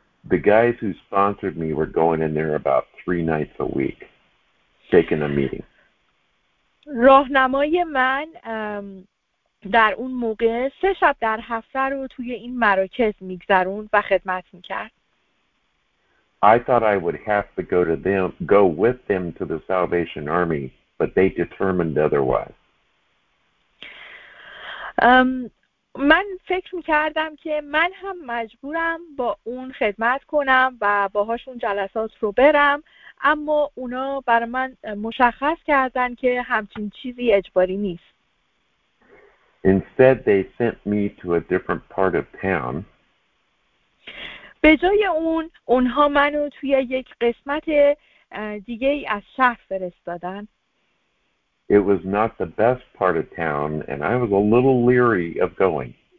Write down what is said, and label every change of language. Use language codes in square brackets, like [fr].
[en] The guys who sponsored me were going in there about three nights a week, taking a meeting. [fa] راهنمای من در اون موقع سه شب در هفته رو توی این مراکز میگذرون و خدمت میکرد. [en] I thought I would have to go to them, go with them to the Salvation Army, but they determined otherwise. [fa] من فکر میکردم که من هم مجبورم با اون خدمت کنم و باهاشون جلسات رو برم، اما اونا بر من مشخص کردن که همچین چیزی اجباری نیست. [en] Instead, they sent me to a different part of town. [fa] به جای اون، اونها منو توی یک قسمت دیگه از شهر فرستادن. [en] It was not the best part of town, and I was a little leery of going.